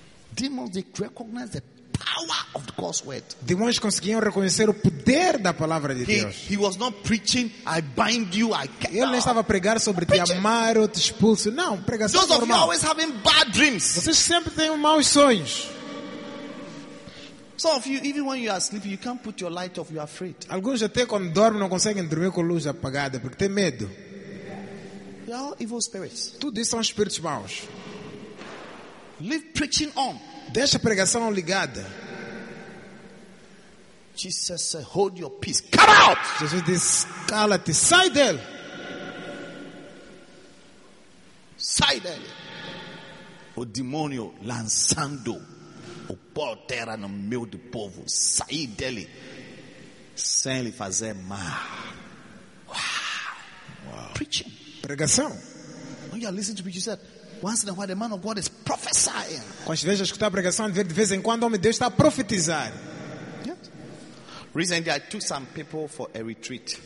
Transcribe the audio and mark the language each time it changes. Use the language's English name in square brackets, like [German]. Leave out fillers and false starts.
[English] Demons, they recognize the power of God's word. [Portuguese] Demônios conseguiam reconhecer o poder da palavra de Deus. [English] He was not preaching, I bind you, I cast. [Portuguese] Ele não estava a pregar sobre te amar ou te expulso. Não, pregação normal. [English] Those of you always having bad dreams. [Portuguese] Vocês sempre têm maus sonhos. [English] Some of you, even when you are sleeping, you can't put your light off, you are afraid. [Portuguese] Alguns até quando dormem não conseguem dormir com a luz apagada porque tem medo. [English] They are all evil spirits. [Portuguese] Tudo isso são espíritos maus. [English] Leave preaching on. [Portuguese] Deixa a pregação ligada. [English] Jesus said, hold your peace. Come out! [Portuguese] Jesus disse, cala-te, sai dele. Sai dele. O demônio lançando o pó terra no meio do povo. Sai dele. Sem lhe fazer mal. [English] Wow. Preaching. [Portuguese] Pregação. [English] When you are listening to preaching, you said, once in a while, the man of God is prophesying. [Portuguese] Quando vejo escutar a pregação, de vez em quando, o homem de Deus está a profetizar. [English] Yes. Recently, I took some people for a retreat.